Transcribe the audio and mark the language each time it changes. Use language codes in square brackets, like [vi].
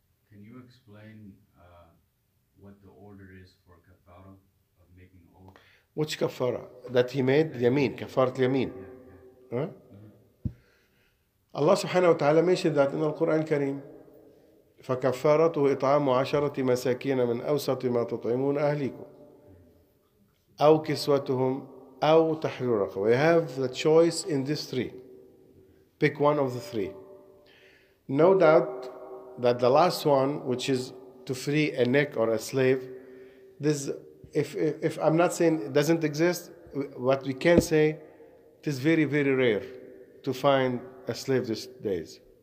[en] Can you explain what the order is for kafara of making oath? Which kafara? That he made yameen, kafarat yameen. Yeah, yeah. Huh? Allah subhanahu wa ta'ala mentioned that in the Quran Kareem. [ar] فكفارته إطعام عشرة مساكين من أوسط ما تطعمون أهليكم أو كسوتهم أو تحرير رقبة. [en] We have the choice in these three. Pick one of the three. No doubt that the last one, which is to free a neck or a slave, this, if I'm not saying it doesn't exist, what we can say, it is very, very rare to find a slave these days.